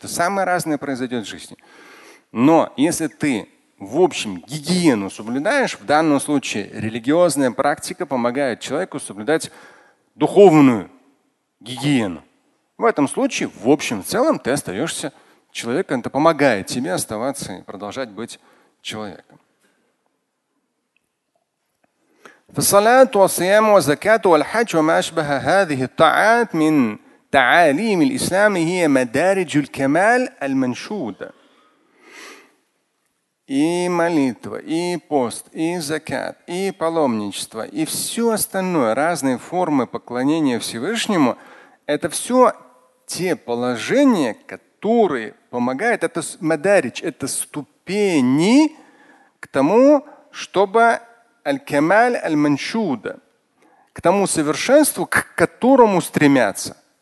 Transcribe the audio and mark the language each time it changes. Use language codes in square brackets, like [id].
[ru] Это самое разное произойдет в жизни. Но если ты, в общем, гигиену соблюдаешь, в данном случае религиозная практика помогает человеку соблюдать духовную гигиену. В этом случае, в общем, в целом, ты остаешься человеком. Это помогает тебе оставаться и продолжать быть человеком. [ar] فَصَلَاتُ وَصِيَامُ وَزَكَاتُ وَالْحَجُ وَمَا أَشْبَهَ هَذِهِ الطَّاعَاتِ مِنْ تعاليم الإسلام هي مدارج الكمال المنشودة. [ru] И молитва, и пост, и закят, и паломничество, и все остальное, разные формы поклонения Всевышнему, это все те положения, которые помогают, это мадарич, это ступени к тому, чтобы [ar] аль-камаль аль-маншуда, [ru] к тому совершенству, к которому стремятся.